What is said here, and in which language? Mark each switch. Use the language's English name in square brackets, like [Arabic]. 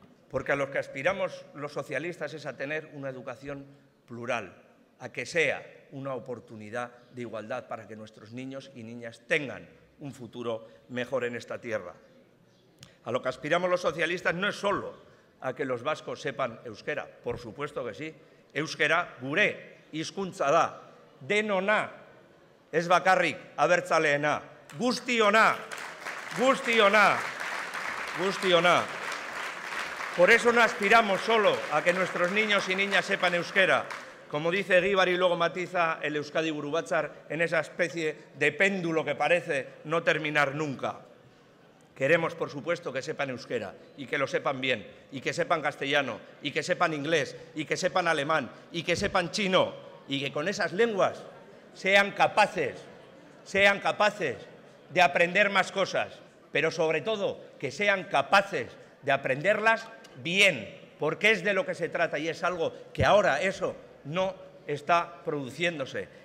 [Spanish] Porque a los que aspiramos los socialistas es a tener una educación plural, a que sea una oportunidad de igualdad para que nuestros niños y niñas tengan un futuro mejor en esta tierra. A lo que aspiramos los socialistas no es solo a que los vascos sepan euskera, por supuesto que sí. [Basque] Euskera gure hizkuntza da, denona ez bakarrik abertzaleena, guztiona, guztiona, guztiona. [Spanish] Por eso no aspiramos solo a que nuestros niños y niñas sepan euskera, como dice Egibar y luego matiza el Euskadi Buru Batzar en esa especie de péndulo que parece no terminar nunca. Queremos, por supuesto, que sepan euskera y que lo sepan bien, y que sepan castellano, y que sepan inglés, y que sepan alemán, y que sepan chino, y que con esas lenguas sean capaces de aprender más cosas, pero sobre todo que sean capaces de aprenderlas bien, porque es de lo que se trata y es algo que ahora eso no está produciéndose.